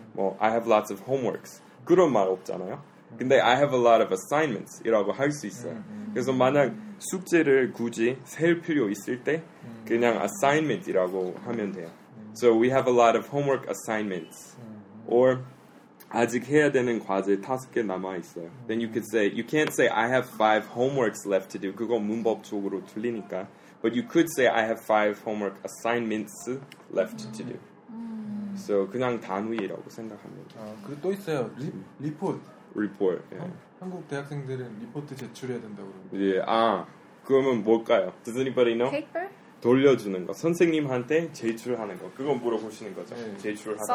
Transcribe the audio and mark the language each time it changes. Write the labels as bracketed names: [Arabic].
[English] 뭐, I have lots of homeworks. [Korean] 그런 말 없잖아요. 근데 [English] I have a lot of assignments [Korean] 이라고 할 수 있어요. 그래서 만약 숙제를 굳이 셀 필요 있을 때 그냥 assignment이라고 하면 돼요. [English] So we have a lot of homework assignments. [Korean] Or 아직 해야 되는 과제 다섯 개 남아 있어요. [English] Then you could say, you can't say I have five homeworks left to do. [Korean] 그거 문법적으로 틀리니까. [English] But you could say I have five homework assignments left to do. [Korean] So 그냥 단위라고 생각하면 돼요. 아, 그리고 또 있어요. 리포트. [English] Report. Yeah. [Korean] 한국 대학생들은 리포트 제출해야 된다고 그러는데. 예. Yeah. 아, 그러면 뭘까요? [English] Does anybody know? Paper? [Korean] 돌려주는 거. 선생님한테 제출하는 거. 그거 물어보시는 거죠. 네. 제출하는 거.